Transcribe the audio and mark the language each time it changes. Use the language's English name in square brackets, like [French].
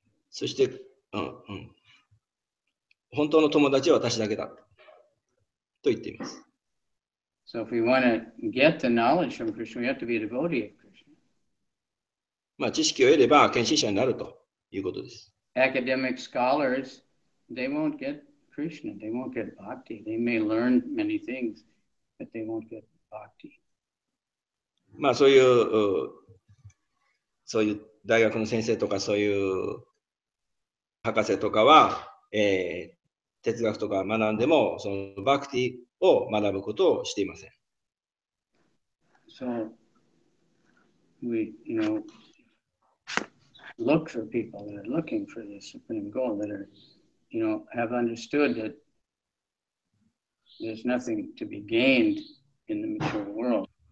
[Japanese] そして、本当の友達は私だけだと言っています。 [English] So if we want to get the knowledge from Krishna, we have to be a devotee of Krishna. [Japanese] まあ、知識を得れば献身者になるということです。 [English] Academic scholars, they won't get Krishna, they won't get bhakti. They may learn many things, but they won't get bhakti. [Japanese] まあそういう、そういう大学の先生とかそういう博士とかは、哲学とか学んでもそのバクティを学ぶことをしていません。 [English] So we, you know, look for people that are looking for this supreme goal that are, you know, have understood that there's nothing to be gained in the material world.